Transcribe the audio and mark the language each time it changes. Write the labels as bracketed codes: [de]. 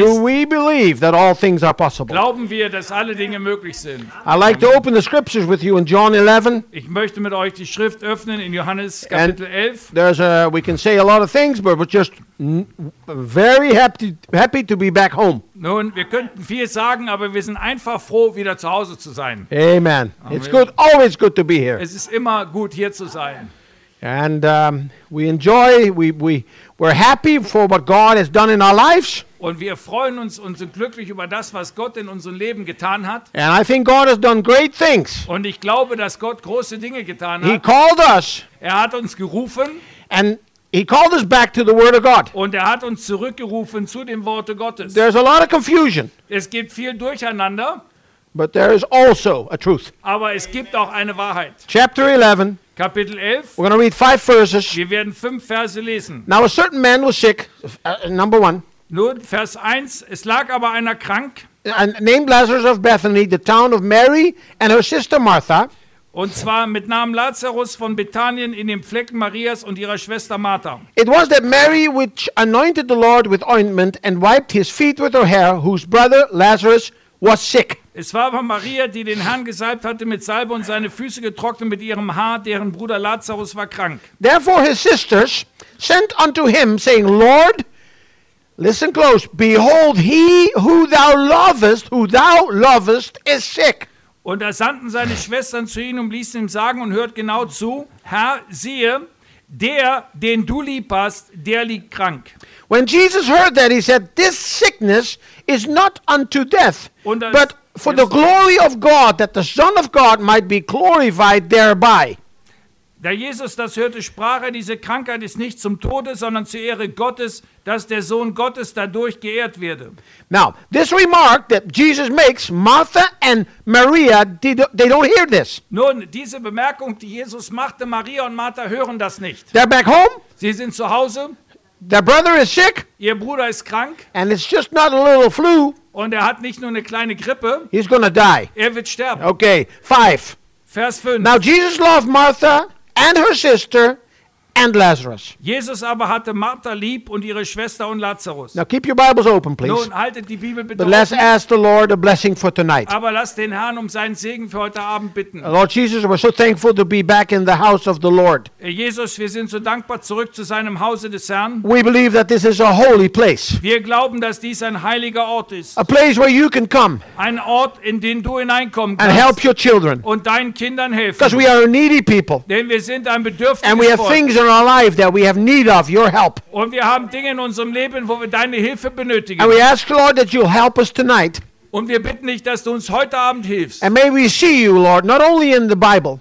[en] do we believe that all things are possible? [de] Glauben wir, dass alle Dinge möglich sind? [en] I'd like to open the scriptures with you in John 11. [de] Ich möchte mit euch die Schrift öffnen in Johannes Kapitel 11. [en] There's a, we can say a lot of things, but we're just very happy to be back home. [de] Nun, wir könnten viel sagen, aber wir sind einfach froh, wieder zu Hause zu sein. [en] Amen. Amen. It's good, always good to be here. [de] Es ist immer gut, hier zu sein. [en] And we enjoy, we're happy for what God has done in our lives. [de] Und wir freuen uns und sind glücklich über das, was Gott in unserem Leben getan hat. [en] And I think God has done great things. [de] Und ich glaube, dass Gott große Dinge getan hat. [en] He called us. [de] Er hat uns gerufen. [en] And He called us back to the Word of God. [de] Und er hat uns zurückgerufen zu dem Worte Gottes. [en] There's a lot of confusion. [de] Es gibt viel Durcheinander. [en] But there is also a truth. [de] Aber es gibt auch eine Wahrheit. [en] Chapter 11. [de] Kapitel 11. [en] We're going to read 5 verses. [de] Wir werden 5 Verse lesen. [en] Now a certain man was sick. Number 1. [de] Nun, Vers 1. Es lag aber einer krank. [en] And named Lazarus of Bethany, the town of Mary and her sister Martha. [de] Und zwar mit Namen Lazarus von Bethanien in dem Flecken Marias und ihrer Schwester Martha. [en] It was that Mary which anointed the Lord with ointment and wiped his feet with her hair, whose brother Lazarus was sick. [de] Es war aber Maria, die den Herrn gesalbt hatte mit Salbe und seine Füße getrocknet mit ihrem Haar, deren Bruder Lazarus war krank. [en] Therefore his sisters sent unto him, saying, Lord, listen close, behold, he who thou lovest is sick. [de] Und da sandten seine Schwestern zu ihm und ließen ihm sagen und hört genau zu, Herr, siehe, der, den du lieb hast, der liegt krank. [en] When Jesus heard that, he said, this sickness is not unto death, but for the glory of God, that the Son of God might be glorified thereby. [de] Da Jesus das hörte, sprach er, diese Krankheit ist nicht zum Tode, sondern zur Ehre Gottes, dass der Sohn Gottes dadurch geehrt werde. [en] Now, this remark that Jesus makes, Martha and Maria, they don't hear this. [de] Nun, diese Bemerkung, die Jesus machte, Maria und Martha hören das nicht. [en] They're back home. [de] Sie sind zu Hause. [en] Their brother is sick. [de] Ihr Bruder ist krank. [en] And it's just not a little flu. [de] Und er hat nicht nur eine kleine Grippe. [en] He's gonna die. [de] Er wird sterben. [en] Okay, 5. [de] Vers 5. [en] Now Jesus loved Martha and her sister and Lazarus. [de] Jesus aber hatte Martha lieb und ihre Schwester und Lazarus. [en] Now keep your Bibles open, please. [de] Nun haltet die Bibel bitte [en] But let's [de] offen. [en] Ask the Lord a blessing for tonight. [de] Aber lasst den Herrn um seinen Segen für heute Abend bitten. [en] Lord Jesus, we're so thankful to be back in the house of the Lord. [de] Jesus, wir sind so dankbar, zurück zu seinem Hause des Herrn. [en] We believe that this is a holy place. [de] Wir glauben, dass dies ein heiliger Ort ist. [en] A place where you can come. [de] Ein Ort, in den du hineinkommen kannst. [en] And help your children. [de] Und deinen Kindern helfen. [en] Because we are a needy people. [de] Denn wir sind ein bedürftiges [en] And we have [de] Volk. [en] Things in our life that we have need of your help. [de] Und wir haben Dinge in unserem Leben, wo wir deine Hilfe benötigen. [en] And we ask, Lord, that you'll help us tonight. [de] Und wir bitten dich, dass du uns heute Abend hilfst. [en] And may we see you, Lord, not only in the Bible.